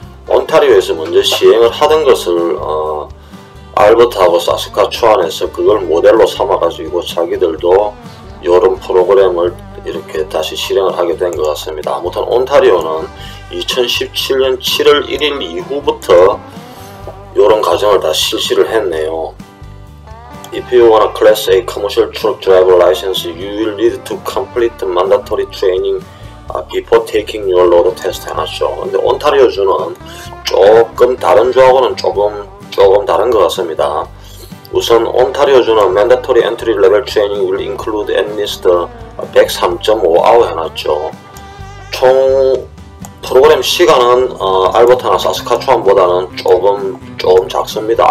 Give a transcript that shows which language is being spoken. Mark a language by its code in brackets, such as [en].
[ko] 온타리오에서 먼저 시행을 하던 것을 알버트하고 사스카츠완에서 그걸 모델로 삼아가지고 자기들도 이런 프로그램을 이렇게 다시 실행을 하게 된 것 같습니다. 아무튼 온타리오는 2017년 7월 1일 이후부터 이런 과정을 다 실시를 했네요. [en] If you want a Class A commercial truck driver license, you will need to complete mandatory training before taking your load test [ko] 해놨죠. 근데 온타리오 주는 조금 다른 주하고는 조금 다른 것 같습니다. 우선 온타리오 주는 [en] mandatory entry level training will include at least 103.5hour [ko] 해놨죠. 총 프로그램 시간은 알버타나 사스카츠완보다는 조금 작습니다.